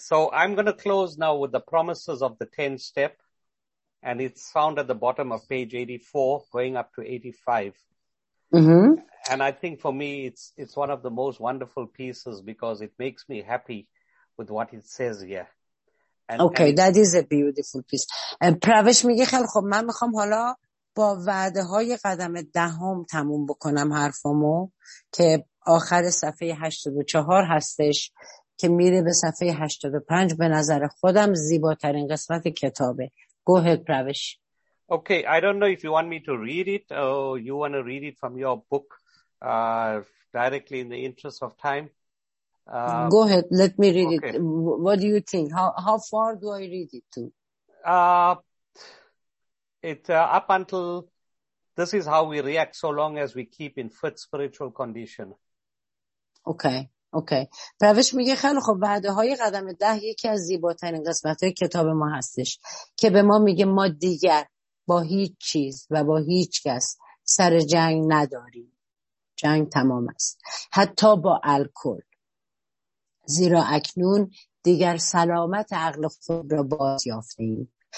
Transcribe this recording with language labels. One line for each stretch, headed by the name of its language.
English: So I'm going to close now with the promises of the 10th step. And it's found at the bottom of page 84, going up to 85. Mm-hmm. And I think for me, it's one of the most wonderful pieces because it makes me happy with what it says here. That is a beautiful piece. And
Persian: Pravesh میگه خیلی خوب من میخوام حالا با وعده های قدم دهم تموم بکنم حرفامو که آخر صفحه 84 هستش که میره به صفحه 85 به نظر خودم زیباترین قسمت کتابه.
English: Go ahead, Pravesh. Okay, I don't know if you want me to read it or you want to read it from your book directly in the interest of time. Go ahead, let me read it. What do you think? How far do I read it to? Up until, this is how we react so long as we keep in fit spiritual condition. Okay.
Persian: پروش میگه خیلی خب وعده های قدم ده یکی از زیباترین قسمت های کتاب ما هستش که به ما میگه ما دیگر با هیچ چیز و با هیچ کس سر جنگ نداریم. جنگ تمام است. حتی با الکل. زیرا اکنون دیگر سلامت عقل خود را باز یافتیم.